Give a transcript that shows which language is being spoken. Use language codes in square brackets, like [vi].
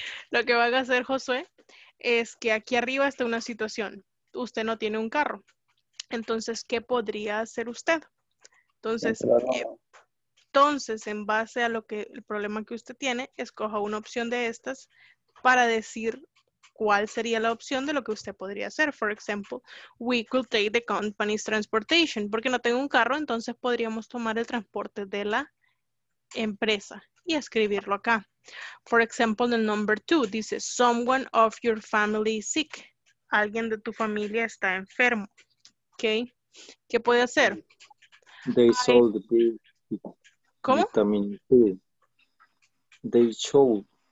[es] Lo que van a hacer, Josué, es que aquí arriba está una situación. Usted no tiene un carro. Entonces, ¿qué podría hacer usted? Entonces, en base a lo que el problema que usted tiene, escoja una opción de estas para decir cuál sería la opción de lo que usted podría hacer. [en] For example, we could take the company's transportation. [es] Porque no tengo un carro, entonces podríamos tomar el transporte de la empresa y escribirlo acá. [en] For example, the number two dice, someone of your family is sick. [es] Alguien de tu familia está enfermo. Okay. ¿Qué puede hacer? [en] They sold the [es] ¿cómo? [en] Vitamin C. They sold.